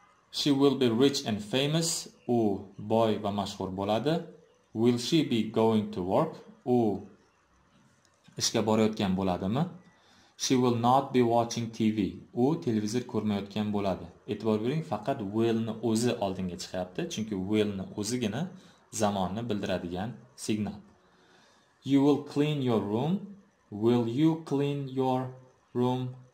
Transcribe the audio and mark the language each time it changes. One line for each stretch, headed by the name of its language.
English: She will be rich and famous.
Uzbek: U boy va mashhur bo'ladi.
English: Will she be going to work?
Uzbek: U ishga borayotgan bo'ladimi?
English: She will not be watching TV.
Uzbek: U televizor ko'rmayotgan bo'ladi. E'tibor bering, faqat will'ni o'zi oldinga chiqyapti, chunki will'ni o'zigina zamonni bildiradigan signal.
English: You will clean your room. Will you clean your room?